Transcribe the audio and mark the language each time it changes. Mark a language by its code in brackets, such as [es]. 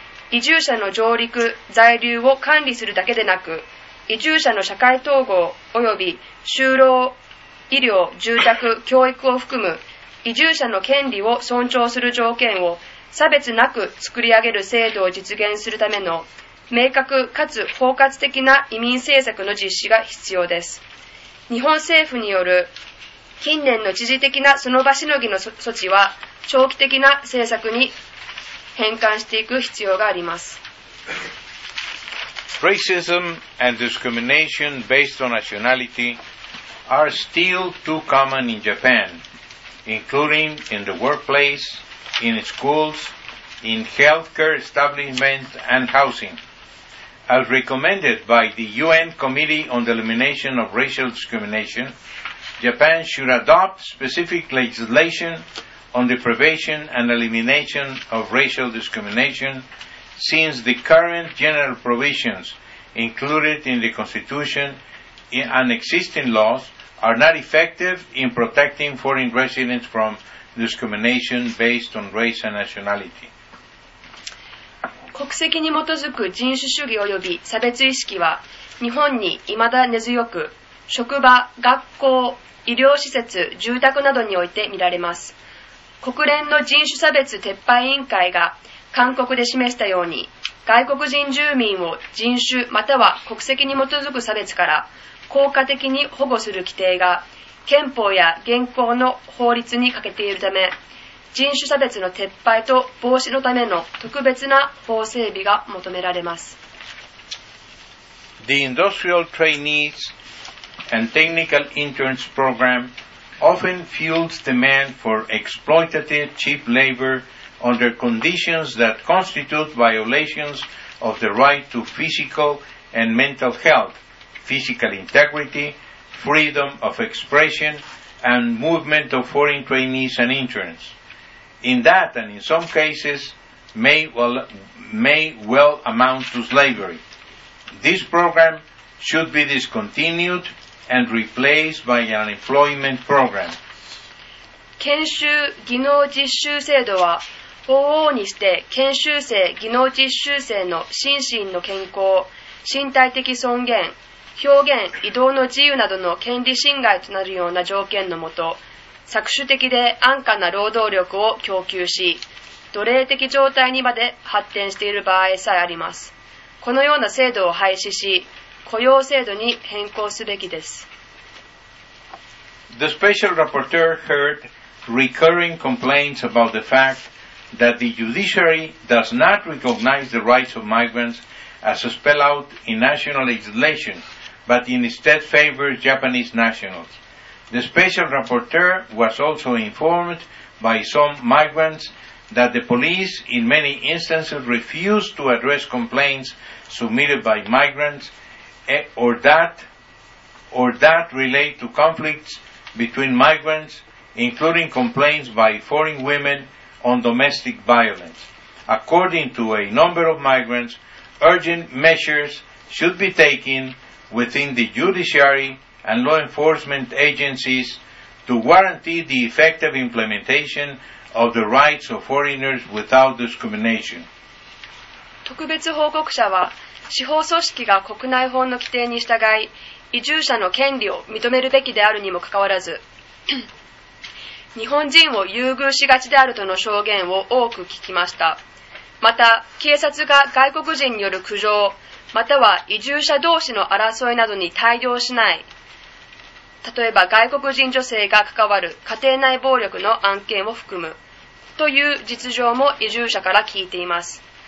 [ja] 移住者の上陸・在留を管理するだけでなく、移住者の社会統合及び就労・医療・住宅・教育を含む移住者の権利を尊重する条件を差別なく作り上げる制度を実現するための明確かつ包括的な移民政策の実施が必要です。日本政府による近年の一時的なその場しのぎの措置は長期的な政策に変換していく必要があります。 [en] Racism and discrimination based on nationality are still too common in Japan, including in the workplace, in schools, in healthcare establishments and housing. As recommended by the UN Committee on the Elimination of Racial Discrimination, Japan should adopt specific legislation on the prevention and elimination of racial discrimination since the current general provisions included in the Constitution and existing laws are not effective in protecting foreign residents from discrimination based on race and nationality. [ja] 国籍に基づく人種主義及び差別意識は日本に未だ根強く、職場、学校、医療施設、住宅などにおいて見られます。国連の人種差別撤廃委員会が勧告で示したように、外国人住民を人種または国籍に基づく差別から効果的に保護する規定が憲法や現行の法律に欠けているため、人種差別の撤廃と防止のための特別な法整備が求められます。 [en] The industrial trainees and technical interns program often fuels demand for exploitative cheap labor under conditions that constitute violations of the right to physical and mental health, physical integrity, freedom of expression, and movement of foreign trainees and interns. In that and in some cases may well amount to slavery. This program should be discontinued and replaced by an employment program. [ja] 研修技能実習制度は往々にして研修生技能実習生の心身の健康、身体的尊厳、表現移動の自由などの権利侵害となるような条件のもと搾取的で安価な労働力を供給し、奴隷的状態にまで発展している場合さえあります。このような制度を廃止し、雇用制度に変更すべきです。 [en] The special rapporteur heard recurring complaints about the fact that the judiciary does not recognize the rights of migrants as spelled out in national legislation, but instead favors Japanese nationals. The special rapporteur was also informed by some migrants that the police in many instances refused to address complaints submitted by migrants or that relate to conflicts between migrants, including complaints by foreign women on domestic violence. According to a number of migrants, urgent measures should be taken within the judiciaryand law enforcement agencies to guarantee the effective implementation of the rights of foreigners without discrimination. [ja] 特別報告者は、司法組織が国内法の規定に従い、移住者の権利を認めるべきであるにもかかわらず、日本人を優遇しがちであるとの証言を多く聞きました。また、警察が外国人による苦情、または移住者同士の争いなどに対応しない、例えば外国人女性が関わる家庭内暴力の案件を含む、という実情も移住者から聞いています。